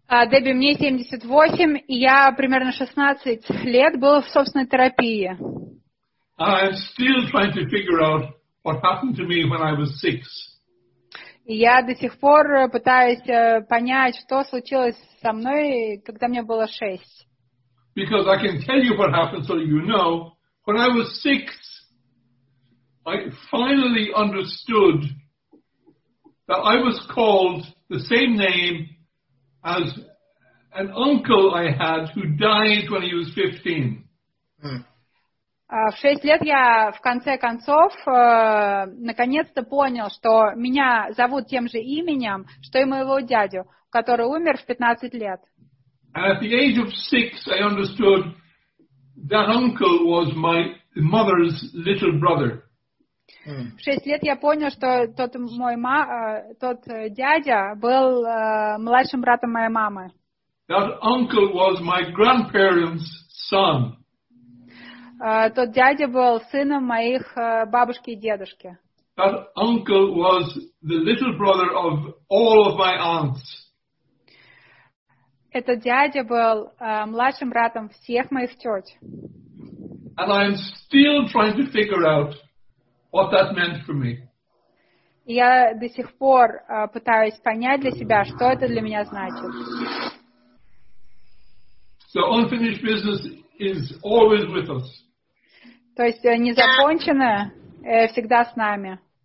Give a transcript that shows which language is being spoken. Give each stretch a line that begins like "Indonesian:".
Russian: Дебби, мне 78, и я примерно 16 лет был в собственной терапии.
English: I'm still trying to figure out what happened to me when I was 6.
Russian: И я до сих пор пытаюсь понять, что случилось со мной, когда мне было 6.
English: Because I can tell you what happened so you know. When I was 6, I finally understood that I was called the same name as an uncle I had who died when he was 15.
Russian: В 6 лет я в конце концов наконец-то понял, что меня зовут тем же именем, что и моего дядю, который умер в 15 лет.
English: And at the age of 6 I understood that uncle was my mother's little brother.
Russian: В 6 лет я понял, что тот дядя был младшим братом моей мамы.
English: That uncle was my grandparents' son.
Russian: Тот дядя был сыном моих бабушки и дедушки.
English: That uncle was the little brother of all of my aunts.
Russian: Этот дядя был младшим братом всех моих тёть.
English: And I'm still trying to figure out what that meant for me.
Russian: Я до сих пор пытаюсь понять для себя, что это для меня значит.
English: So unfinished business is always with us.
Russian: То есть незаконченное всегда с нами.